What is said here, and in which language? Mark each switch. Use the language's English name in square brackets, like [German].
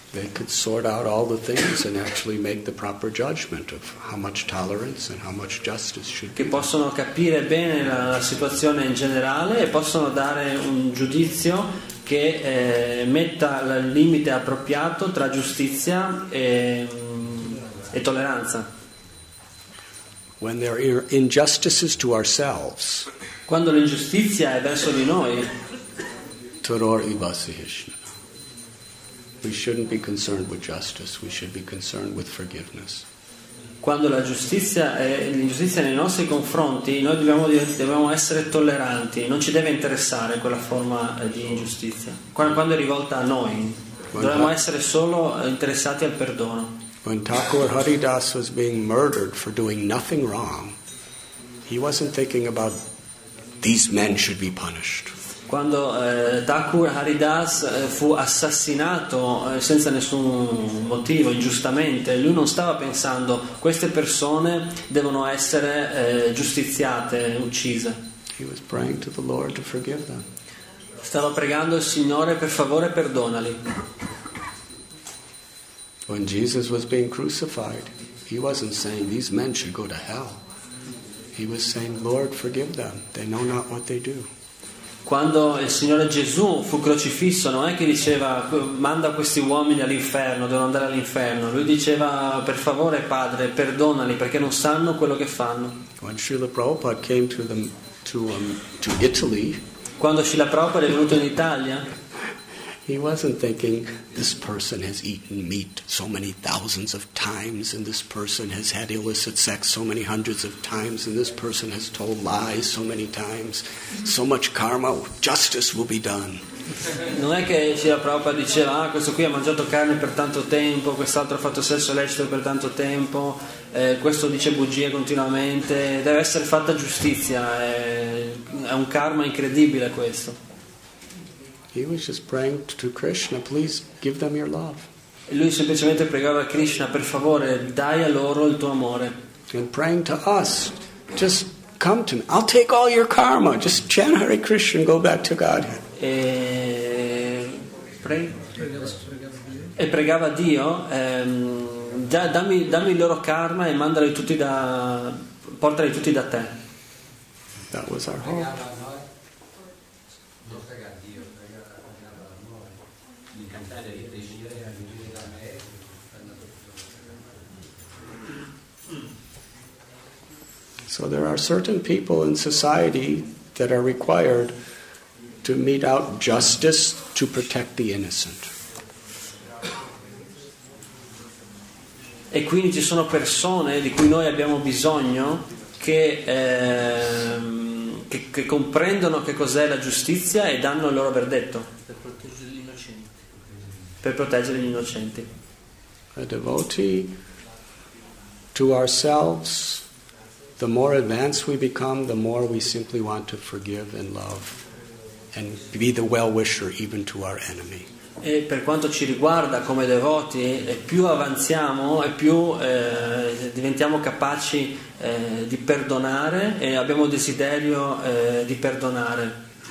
[English] They could sort out all the things and actually make the proper judgment of how much tolerance and how much justice should be. [Italian] Che possono capire bene la situazione in generale e possono dare un giudizio che metta il limite appropriato tra giustizia e tolleranza. [English] When there are injustices to ourselves. [Italian] Quando l'ingiustizia è verso di noi. Toror ivasihishna. [English] We shouldn't be concerned with justice, we should be concerned with forgiveness. [Italian] Quando la giustizia è l'ingiustizia nei nostri confronti, noi dobbiamo essere tolleranti, non ci deve interessare quella forma di ingiustizia. Quando è rivolta a noi, dobbiamo essere solo interessati al perdono. [English] When Thakur Haridas was being murdered for doing nothing wrong, he wasn't thinking about these men should be punished. [Italian] Quando Thakur Haridas fu assassinato senza nessun motivo, ingiustamente, lui non stava pensando queste persone devono essere giustiziate, uccise. [English] He was praying to the Lord to forgive them. [Italian] Stava pregando il Signore per favore perdonali. [English] When Jesus was being crucified, he wasn't saying these men should go to hell. He was saying, Lord, forgive them. They know not what they do. [Italian] Quando il Signore Gesù fu crocifisso, non è che diceva manda questi uomini all'inferno, devono andare all'inferno. Lui diceva per favore Padre, perdonali perché non sanno quello che fanno. [English] When Srila Prabhupada came to Italy, [Italian] quando Srila Prabhupada è venuto in Italia, [English] He wasn't thinking, this person has eaten meat so many thousands of times, and this person has had illicit sex so many hundreds of times, and this person has told lies so many times. So much karma, justice will be done. [Italian] Non è che Srila Prabhupada diceva, ah, questo qui ha mangiato carne per tanto tempo, quest'altro ha fatto sesso lecito per tanto tempo, questo dice bugie continuamente, deve essere fatta giustizia, è un karma incredibile questo. [English] He was just praying to Krishna, please give them your love. [Italian] E lui semplicemente pregava a Krishna, per favore, dai a loro il tuo amore. [English] And praying to us, just come to me. I'll take all your karma. Just chant Hare Krishna and go back to Godhead. [Italian] E pregava a Dio, dammi il loro karma e mandali tutti da, portali tutti da te. [English] That was our hope. So there are certain people in society that are required to mete out justice to protect the innocent. [Italian] E quindi ci sono persone di cui noi abbiamo bisogno che comprendono che cos'è la giustizia e danno il loro verdetto. Per proteggere gli innocenti. Per proteggere gli innocenti. [English] A devotee to ourselves. The more advanced we become, the more we simply want to forgive and love and be the well-wisher even to our enemy. [Italian] E per quanto ci riguarda come devoti, più avanziamo e più diventiamo capaci di perdonare e abbiamo desiderio di perdonare.